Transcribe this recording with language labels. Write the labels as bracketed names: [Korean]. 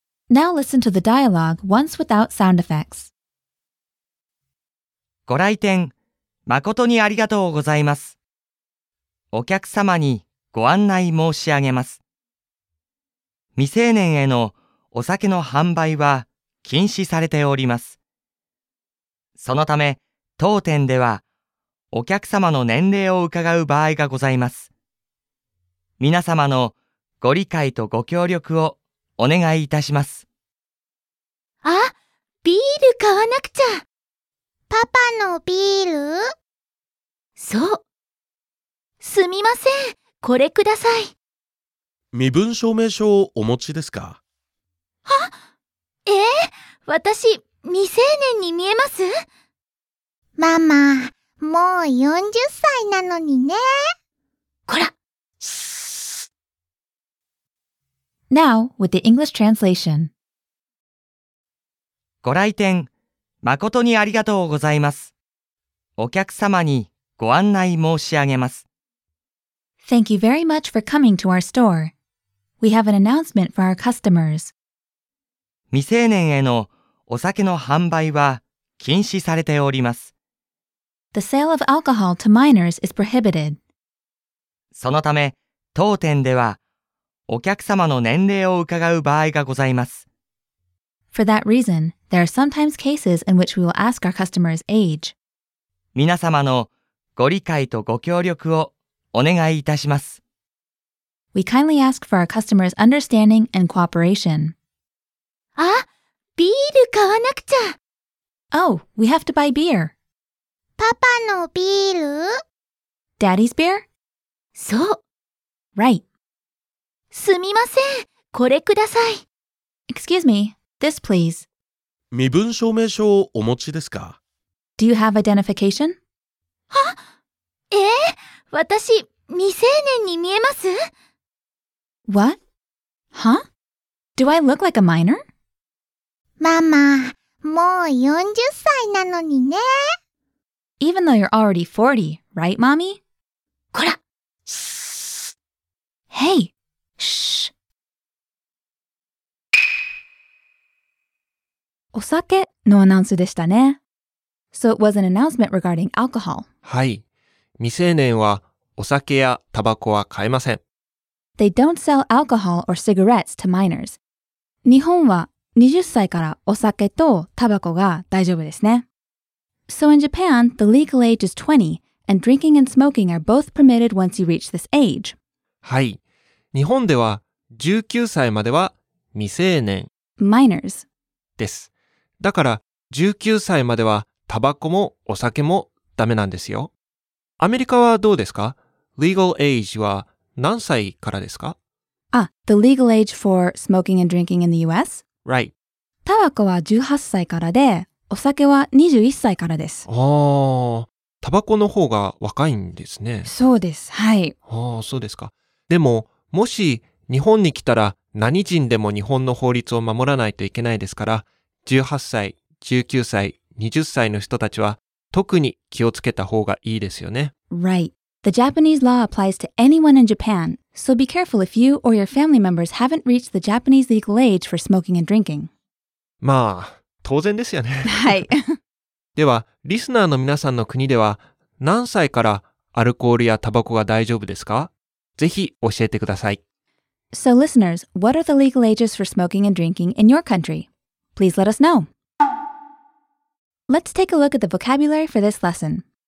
[English] Now listen to the dialogue once without sound effects. [Japanese] ご来店、誠にありがとうございます。お客様にご案内申し上げます。未成年へのお酒の販売は禁止されております。そのため、当店ではお客様の年齢を伺う場合がございます。皆様のご理解とご協力をお願いいたします。あ、ビール買わなくちゃ。パパのビール？そう。すみません、これください。身分証明書をお持ちですか？私、未成年に見えます？ママ、もう40歳なのにね。こら、 [English] Now, with the English translation. [Japanese] ご来店、誠にありがとうございます。お客様にご案内申し上げます。 [English] Thank you very much for coming to our store. We have an announcement for our customers. [Japanese] 未成年へのお酒の販売は禁止されております。 [English] The sale of alcohol to minors is prohibited. [Japanese] そのため、当店ではお客様の年齢を伺う場合がございます。 [English] For that reason,There are sometimes cases in which we will ask our customers' age. [Japanese] 皆様のご理解とご協力をお願いいたします。 [English] We kindly ask for our customers' understanding and cooperation. [Japanese] あ、ビール買わなくちゃ。 [English] Oh, we have to buy beer. [Japanese] パパのビール？ [English] Daddy's beer? [Japanese] そう。 [English] Right. [Japanese] すみません、これください。 [English] Excuse me, this please. [Japanese] 身分証明書をお持ちですか? [English] Do you have identification? [Japanese] は?私、未成年に見えます? [English] What? Huh? Do I look like a minor? [Japanese] ママ、もう40歳なのにね。 [English] Even though you're already 40, right, mommy? [Japanese] こら! [English] Hey! [Japanese] お酒のアナウンスでしたね。 [English] So it was an announcement regarding alcohol. [Japanese] はい。未成年はお酒やタバコは買えません。 [English] They don't sell alcohol or cigarettes to minors. [Japanese] 日本は20歳からお酒とタバコが大丈夫ですね。 [English] So in Japan, the legal age is 20, and drinking and smoking are both permitted once you reach this age. [Japanese] はい。日本では19歳までは未成年。 [English] Minors. [Japanese] です。だから19歳まではタバコもお酒もダメなんですよ。アメリカはどうですか?Legal age は何歳からですか? [English] Ah, the legal age for smoking and drinking in the US? Right. [Japanese] タバコは18歳からで、お酒は21歳からです。ああ、タバコの方が若いんですね。そうです。はい。ああ、そうですか。でも、もし日本に来たら何人でも日本の法律を守らないといけないですから、18歳、19歳、20歳の人たちは、特に気をつけた方がいいですよね。 [English] Right. The Japanese law applies to anyone in Japan, so be careful if you or your family members haven't reached the Japanese legal age for smoking and drinking. [Japanese] まあ、当然ですよね。はい。では、リスナーの皆さんの国では、何歳からアルコールやタバコが大丈夫ですか? ぜひ教えてください。 [English] So listeners, what are the legal ages for smoking and drinking in your country? Please let us know! Let's take a look at the vocabulary for this lesson.